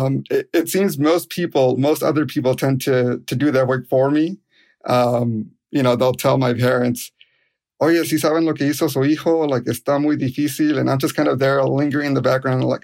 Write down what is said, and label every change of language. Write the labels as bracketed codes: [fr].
[en] it seems most other people tend to do their work for me. They'll tell my parents, [es] oye, si saben lo que hizo su hijo, like, está muy difícil. [en] And I'm just kind of there lingering in the background, like,